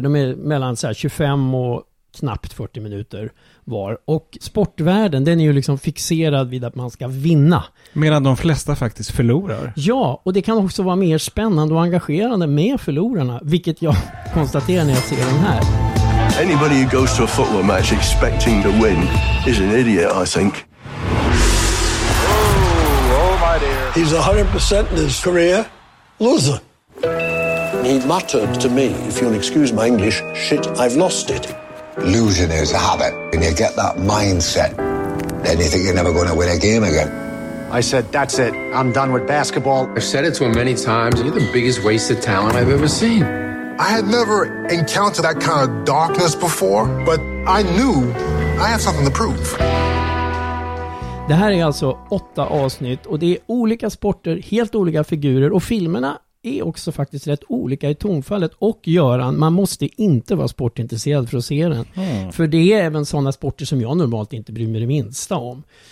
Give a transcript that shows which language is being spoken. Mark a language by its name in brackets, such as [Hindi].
[Swedish] De är mellan så här 25 och knappt 40 minuter var. Och sportvärlden, den är ju liksom fixerad vid att man ska vinna. Medan de flesta faktiskt förlorar. Ja, och det kan också vara mer spännande och engagerande med förlorarna, vilket jag konstaterar när jag ser den här. [English] Anybody who goes to a football match expecting to win is an idiot, I think. Oh, oh my dear. He's 100% in his career. Loser. He muttered to me, if you'll excuse my English, shit, I've lost it. Losing is a habit. When you get that mindset, then you think you're never going to win a game again. I said, that's it. I'm done with basketball. I've said it to him many times. You're the biggest waste of talent I've ever seen. I had never encountered that kind of darkness before, but I knew I had something to prove. [Swedish] Det här är alltså 8 avsnitt och det är olika sporter, helt olika figurer, och filmerna är också faktiskt rätt olika i tonfallet. Och Göran, man måste inte vara sportintresserad för att se den. Mm. För det är även sådana sporter som jag normalt inte bryr mig det minsta om.